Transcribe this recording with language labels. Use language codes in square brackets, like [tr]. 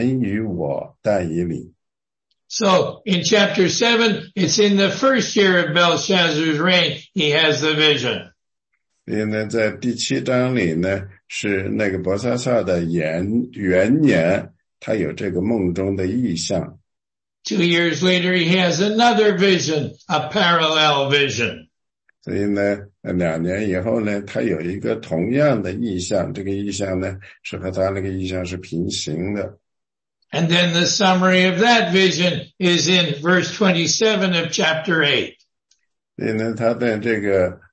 [zh] 第八章的但以理书第八章第一节说呢，伯萨撒王在位第三年，有异象显于我但以理。 [en] So, in chapter 7, it's in the first year of Belshazzar's reign, he has the vision. [zh] 因为在第七章里呢，是那个伯萨撒的元年，他有这个梦中的异象。 [en] 2 years later, he has another vision, a parallel vision. [zh] 所以呢，两年以后呢，他有一个同样的异象，这个异象呢，是和他那个异象是平行的。 [en] And then the summary of that vision is in verse 27 of chapter 8.